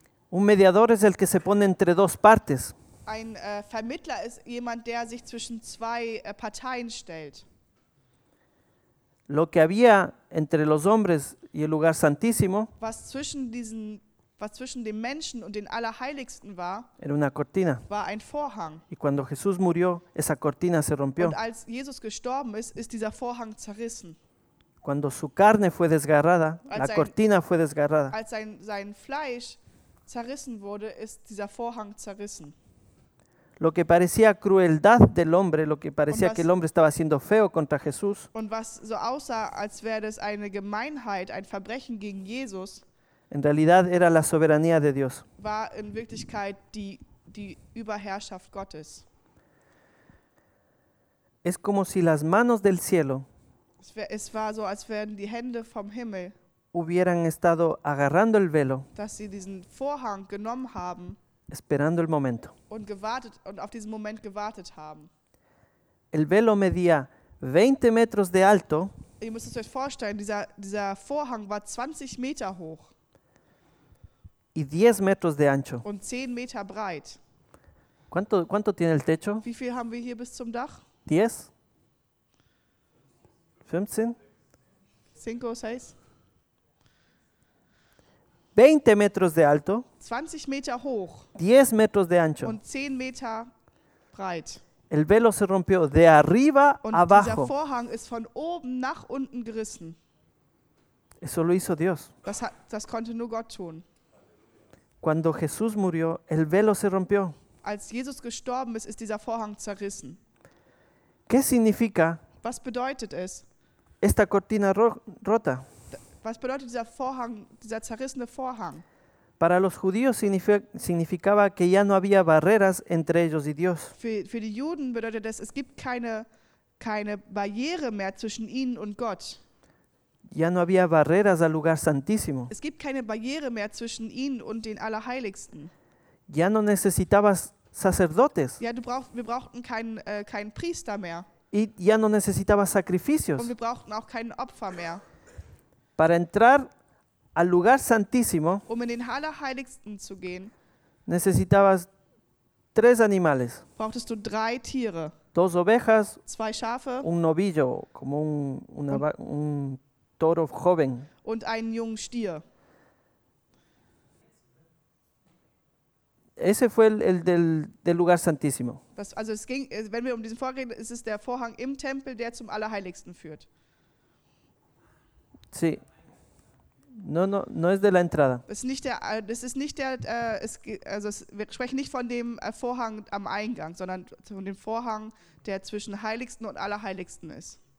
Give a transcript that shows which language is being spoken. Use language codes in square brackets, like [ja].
[es] Un mediador es el que se pone entre dos partes. [de] Ein Vermittler ist jemand, der sich zwischen zwei Parteien stellt. [es] Lo que había entre los hombres y el lugar santísimo, [de] was zwischen dem Menschen und den Allerheiligsten war, [es] era una cortina. [de] War ein Vorhang. [es] Y cuando Jesús murió, esa cortina se rompió. [de] Und als Jesus gestorben ist dieser Vorhang zerrissen. [es] Cuando su carne fue desgarrada, la cortina fue desgarrada. [de] Als sein Fleisch zerrissen wurde, ist dieser Vorhang zerrissen. [es] Lo que parecía crueldad del hombre, lo que parecía que el hombre estaba haciendo feo contra Jesús. [de] Und was so aussah, als wäre es eine Gemeinheit, ein Verbrechen gegen Jesus. [es] En realidad era la soberanía de Dios. [de] War in Wirklichkeit die Überherrschaft Gottes. [es] Es como si las manos del cielo. [de] Es war so, als wären die Hände vom Himmel. [es] Hubieran estado agarrando el velo. [de] Dass sie diesen Vorhang genommen haben. [es] Esperando el momento. [de] Und auf diesen Moment gewartet haben. [es] El velo medía 20 metros de alto. [de] Ihr müsst es euch vorstellen, dieser Vorhang war 20 Meter hoch. [es] Y 10 metros de ancho. [de] Und 10 Meter breit. [es] ¿Cuánto tiene el techo? [de] Wie viel haben wir hier bis zum Dach? [es] 10? 15? 5, 6? 20 metros de alto, [de] 20 Meter hoch, [es] 10 metros de ancho, [de] und 10 Meter breit. [es] El velo se rompió de arriba [de] und [es] abajo. [de] Dieser Vorhang ist von oben nach unten gerissen. [es] Eso lo hizo Dios. [de] Das konnte nur Gott tun. [es] Cuando Jesús murió, el velo se rompió. [de] Als Jesus gestorben ist dieser Vorhang zerrissen. [es] ¿Qué significa? [de] Was bedeutet es? [es] Esta cortina rota. [de] Was bedeutet dieser Vorhang, dieser zerrissene Vorhang? [es] Para los judíos significaba que ya no había barreras entre ellos y Dios. [de] Für die Juden bedeutet das, es gibt keine Barriere mehr zwischen ihnen und Gott. [es] Ya no había barreras al lugar santísimo. [de] Es gibt keine Barriere mehr zwischen ihnen und den Allerheiligsten. [es] Ya no necesitabas sacerdotes. [de] Ja, wir brauchten keinen Priester mehr. [es] Y ya no necesitabas sacrificios. [de] Und wir brauchten auch keinen Opfer mehr. [es] Para entrar al lugar santísimo, [de] um in den Allerheiligsten zu gehen, [es] necesitabas tres animales. [de] Brauchtest du drei Tiere. [es] Dos ovejas, [de] zwei Schafe, [es] un novillo, como un toro joven. [de] Und einen jungen Stier. [es] Ese fue el del lugar santísimo. [de] Das, also es ging, wenn wir um diesen Vorhang reden, ist es der Vorhang im Tempel, der zum Allerheiligsten führt. [es] Sí. No es de la entrada. [de] Wir sprechen nicht von dem Vorhang am Eingang, sondern von dem Vorhang, der zwischen Heiligsten und Allerheiligsten ist.